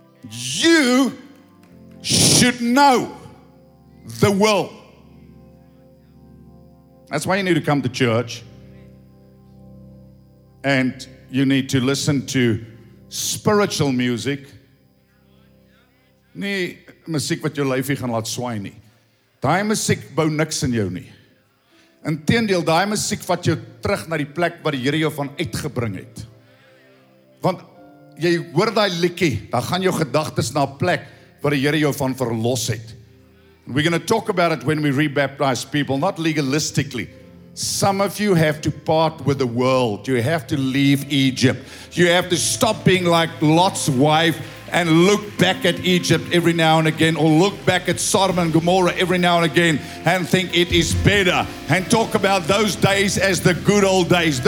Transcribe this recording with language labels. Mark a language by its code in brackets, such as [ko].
[en] You should know the will. That's why you need to come to church and you need to listen to spiritual music. [af] Nie musiek wat jou lyfie gaan laat swaai nie. Daai musiek bou niks in jou nie. Inteendeel, daai musiek vat jou terug na die plek waar die Here jou van uitgebring het. Want jy hoor daai liedjie, dan gaan jou gedagtes na 'n plek waar die Here jou van verlos het. [en] We're going to talk about it when we rebaptize people, not legalistically. Some of you have to part with the world. You have to leave Egypt. You have to stop being like Lot's wife and look back at Egypt every now and again, or look back at Sodom and Gomorrah every now and again and think it is better, and talk about those days as the good old days.